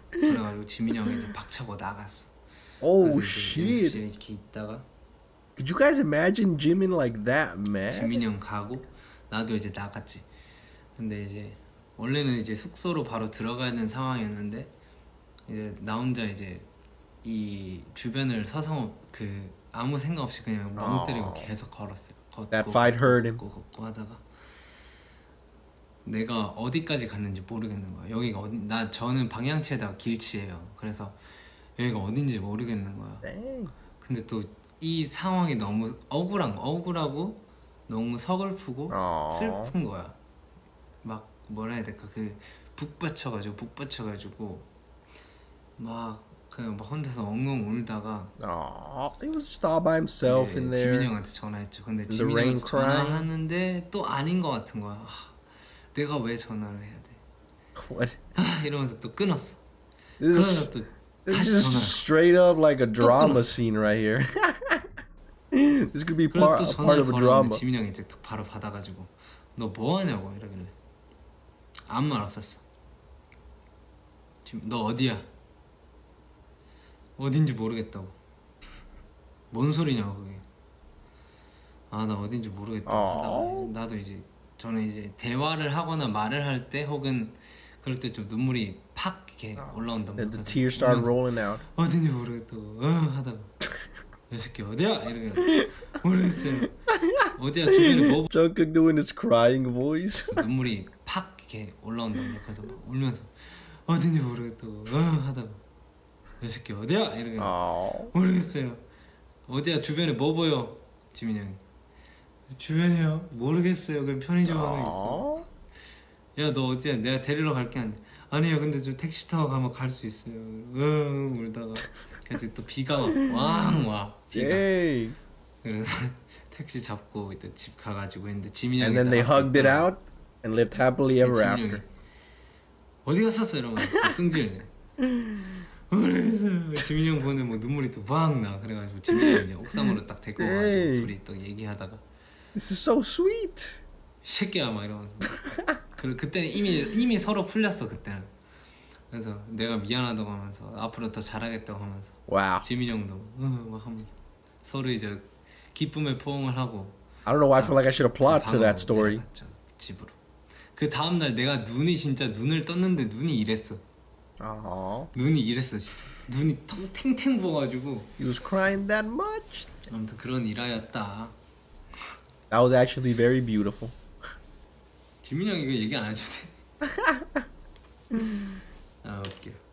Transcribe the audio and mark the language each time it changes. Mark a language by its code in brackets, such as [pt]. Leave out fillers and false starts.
[ko] 그래가지고 지민이 형이 이제 박차고 나갔어 [en] Oh shit! [ko] 이렇게 있다가 [en] Could you guys imagine Jimin like that, man? [ko] 지민이 형 가고 나도 이제 나갔지. 근데 이제 원래는 이제 숙소로 바로 들어가야 되는 상황이었는데 이제 나 혼자 이제 이 주변을 서성업 그 아무 생각 없이 그냥 멍 때리고 oh. 계속 걸었어요. 걷고, [en] that fight hurt him. [ko] 걷고 하다가 내가 어디까지 갔는지 모르겠는 거야. 여기가 어디? 나 저는 방향치에다가 길치예요. 그래서 여기가 어딘지 모르겠는 거야 [en] Dang. [ko] 근데 또 이 상황이 너무 억울하고 너무 서글프고 슬픈 거야 막 뭐라 해야 될까 그 북받쳐가지고 막 그냥 막 혼자서 엉엉 울다가 [en] He was just all by himself [ko] 예, [en] in there [ko] 지민이 형한테 전화했죠 근데 지민이 형한테 전화하는데 또 아닌 거 같은 거야 하, 내가 왜 전화를 해야 돼 [en] What? [ko] 하, 이러면서 또 끊었어 [en] This... [ko] 그러면서 또 [en] This is straight up like a drama scene right here. This could be part of a drama. [ko] 지민이 형이 이제 바로 받아가지고 너 뭐 하냐고 이러길래 아무 말 없었어. 지금 너 어디야? 어딘지 모르겠다고. 뭔 소리냐고 그게. 아, 나 어딘지 모르겠다. 나도 이제 저는 이제 대화를 하거나 말을 할 때 혹은 그럴 때 좀 눈물이 팍 이렇게 올라온단 말이야. [en] The tears start rolling out. [ko] 어딘지 모르겠다고. 하다가 이 새끼 어디야? 이러고 모르겠어요. 어디야? 주변에 뭐? [en] Jungkook doing his crying voice. [ko] 눈물이 팍 이렇게 올라온단 말이야. 그래서 막 울면서 어딘지 모르겠다고. 하다가 이 새끼 어디야? 이러고 모르겠어요. 어디야? 주변에 뭐 보여? 지민이 형이. 주변이요? 모르겠어요. 그냥 편의점 하나 있어. 야, 너 어디야? 내가 데리러 갈게. 안 돼. 아니요, 근데 좀 택시 타고 가면 갈 수 있어요. 응, 울다가. 그래도 또 비가 막 왕 와. 비가. 에이. 그래서 택시 잡고 이제 집 가가지고 했는데 지민이 형이. [en] And then they hugged it out and lived happily ever after. [ko] 어디 갔었어, 여러분? 승질네. 모르겠어요. 지민이 형 보는데 뭐 눈물이 또 왕 나. 그래가지고 지민이 형 이제 옥상으로 딱 데리고 와가지고 둘이 또 얘기하다가. [en] This is so sweet. [ko] 새끼야 막 이러면서. 그리고 그때는 이미 서로 풀렸어 그때는. 그래서 내가 미안하다고 하면서 앞으로 더 잘하겠다고 하면서. 와. Wow. 지민이 형도 막 하면서 서로 이제 기쁨에 포옹을 하고. [en] I don't know why I feel like I should apply to that story. [ko] 집으로. 그 다음 날 내가 눈이 진짜 눈을 떴는데 눈이 이랬어. 눈이 이랬어 진짜. 눈이 텅 탱탱 부어가지고. [en] He was crying that much. [ko] 아무튼 그런 일화였다. [en] That was actually very beautiful. [ko] 지민이 형 이거 얘기 안 해줘도 돼. 아 웃겨.